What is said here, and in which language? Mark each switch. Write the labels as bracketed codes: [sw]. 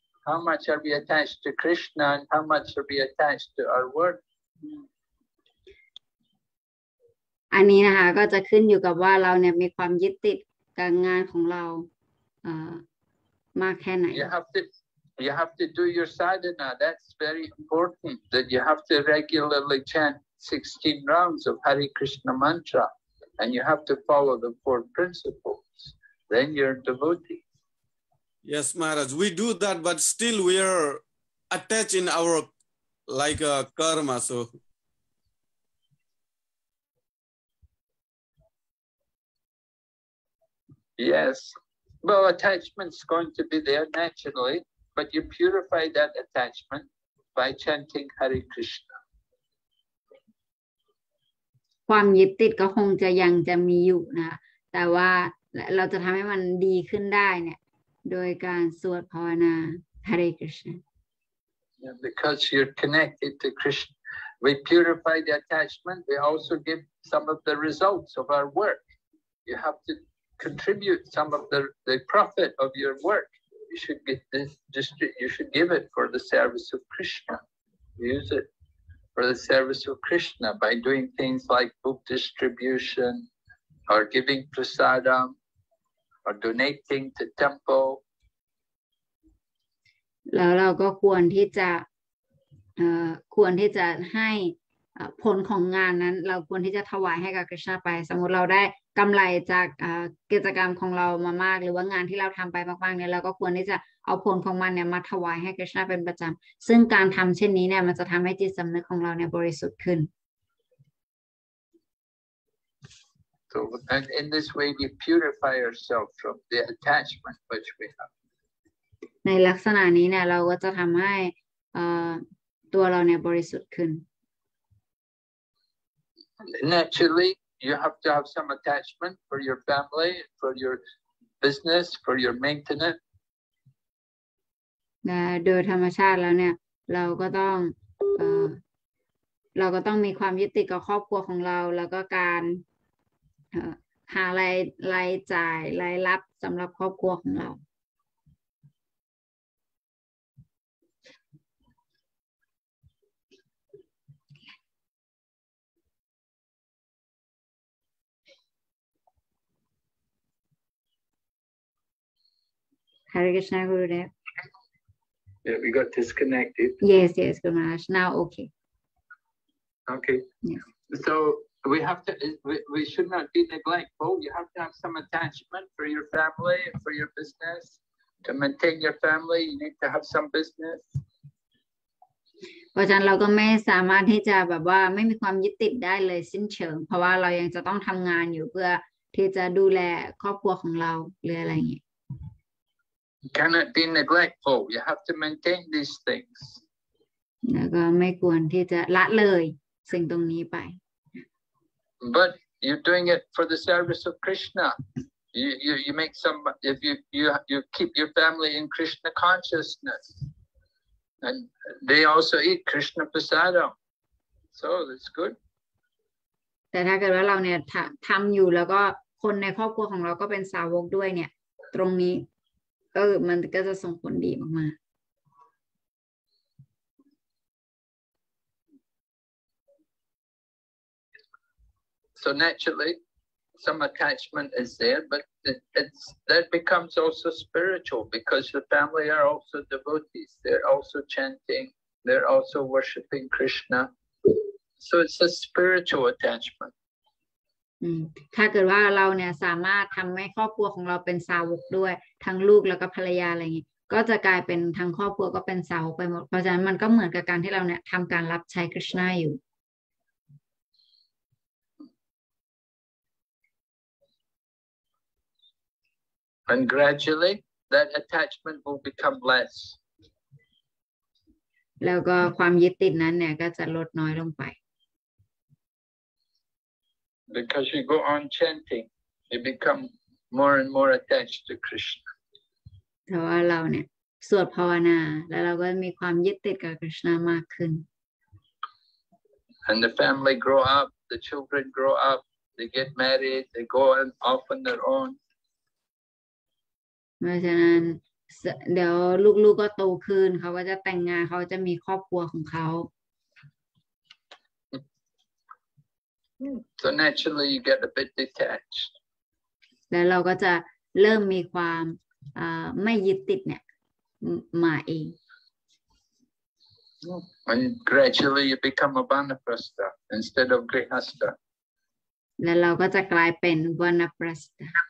[en] How much are we attached to Krishna and how much are we attached to our work? [th] อันนี้นะคะก็จะขึ้นอยู่กับว่าเราเนี่ยมีความยึดติดกับงานของเรามากแค่ไหน [en] You have to do your sadhana. That's very important. That you have to regularly chant 16 rounds of Hare Krishna mantra, and you have to follow the four principles. Then you're a devotee. Yes, Maharaj, we do that, but still we are attached in our like a karma. So, yes, well, attachment's going to be there naturally. But you purify that attachment by chanting Hare Krishna. [th] ความยึดติดก็คงจะยังจะมีอยู่นะแต่ว่าเราจะทำให้มันดีขึ้นได้เนี่ยโดยการสวดภาวนา Hare Krishna. [en] Yeah, because you're connected to Krishna. We purify the attachment. We also give some of the results of our work. You have to contribute some of the profit of your work. You should get this district. You should give it for the service of Krishna. Use it for the service of Krishna by doing things like book distribution, or giving prasadam, or donating to temple. [th] แล้วเราก็ควรที่จะควรที่จะให้ผลของงานนั้นเราควรที่จะถวายให้กับ Krishna ไปสมมติเราได้กำไรจากกิจกรรมของเรามามากหรือว่างานที่เราทำไปมากๆเนี่ยเราก็ควรที่จะเอาผลของมันเนี่ยมาถวายให้คริสต์เป็นประจำซึ่งการทำเช่นนี้เนี่ยมันจะทำให้จิตสำนึกของเราเนี่ยบริสุทธิ์ขึ้น [en] So and in this way we purify ourselves from the attachment which we have [th] ในลักษณะนี้เนี่ยเราก็จะทำให้ตัวเราเนี่ยบริสุทธิ์ขึ้น [en] NaturallyYou have to have some attachment for your family, for your business, for your maintenance. [th] โดยธรรมชาติแล้วเนี่ยเราก็ต้องมีความยึดติดกับครอบครัวของเราแล้วก็การหารายจ่ายรายรับสำหรับครอบครัวของเรา [en] Hare Krishna Gurudev. Yeah, we got disconnected. Yes, yes, Guru Maharaj. Now, okay. Okay. Yes. So we have to. We should not be neglectful. You have to have some attachment for your family, for your business. To maintain your family, you need to have some business. [th] เพราะฉะนั้นเราก็ไม่สามารถที่จะแบบว่าไม่มีความยึดติดได้เลยสิ้นเชิงเพราะว่าเรายังจะต้องทำงานอยู่เพื่อที่จะดูแลครอบครัวของเราหรืออะไรอย่างเงี้ย [en] cannot be neglectful you have to maintain these things [th] แล้วก็ไม่ควรที่จะละเลยสิ่งตรงนี้ไป [en] but you're doing it for the service of Krishna you make some if you keep your family in Krishna consciousnessAnd they also eat Krishna prasadam. So that's good. [th] แต่ถ้าเกิดว่าเราเนี่ยทำอยู่แล้วก็คนในครอบครัวของเราก็เป็นสาวกด้วยเนี่ยตรงนี้เออมันก็จะส่งผลดีมากๆ [en] So naturally, some attachment is there, but it's that becomes also spiritual because the family are also devotees. They're also chanting. They're also worshiping Krishna. So it's a spiritual attachment. [th] ถ้าเกิดว่าเราเนี่ยสามารถทำให้ครอบครัวของเราเป็นสาวกด้วยทั้งลูกแล้วก็ภรรยาอะไรเงี้ยก็จะกลายเป็นทั้งครอบครัวก็เป็นสาวกไปหมดเพราะฉะนั้นมันก็เหมือนกับการที่เราเนี่ยทำการรับใช้คริสต์นาอยู่ [en] And gradually, that attachment will become less. [th] แล้วก็ความยึดติดนั้นเนี่ยก็จะลดน้อยลงไป [en] Because you go on chanting, you become more and more attached to Krishna. [th] เพราะว่าเราเนี่ยสวดภาวนาแล้วเราก็มีความยึดติดกับคริสต์มากขึ้น [en] And the family grow up, the children grow up, they get married, they go on off on their own. [th] เพราะฉะนั้นเดี๋ยวลูกๆ ก็โตขึ้นเขาก็จะแต่งงานเขาจะมีครอบครัวของเขา [en] so naturally you get a bit detached [th] แล้วเราก็จะเริ่มมีความไม่ยึดติดเนี่ยมาเอง [en] and gradually you become a vanaprastha instead of grihastha [th] แล้วเราก็จะกลายเป็นvanaprastha